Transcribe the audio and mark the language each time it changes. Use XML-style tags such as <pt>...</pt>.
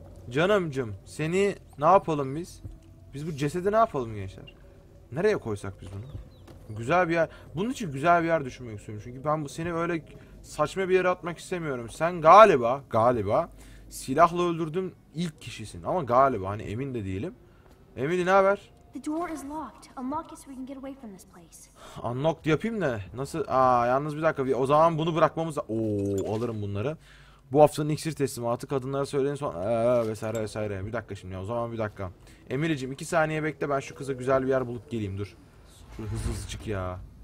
<tr>Canımcım seni ne yapalım biz? Biz bu cesedi ne yapalım gençler? Nereye koysak biz bunu? Güzel bir yer. Bunun için güzel bir yer düşünmek istiyorum. Çünkü ben bu seni öyle saçma bir yere atmak istemiyorum. Sen galiba silahla öldürdüğüm ilk kişisin. Ama galiba hani emin de değilim. Emine ne haber?</tr> <en>The door is locked. Unlock it so we can get away from this place.</en> <tr>Unlock yapayım da nasıl? Aa yalnız bir dakika. O zaman bunu bırakmamız. Oo alırım bunları. Bu haftanın iksir teslimatı kadınlara söyleyin son vesaire vesaire. Bir dakika şimdi. O zaman bir dakika. Emineciğim 2 saniye bekle. Ben şu kıza güzel bir yer bulup geleyim. Dur. Şurada hızlı hızlı çık ya.</tr>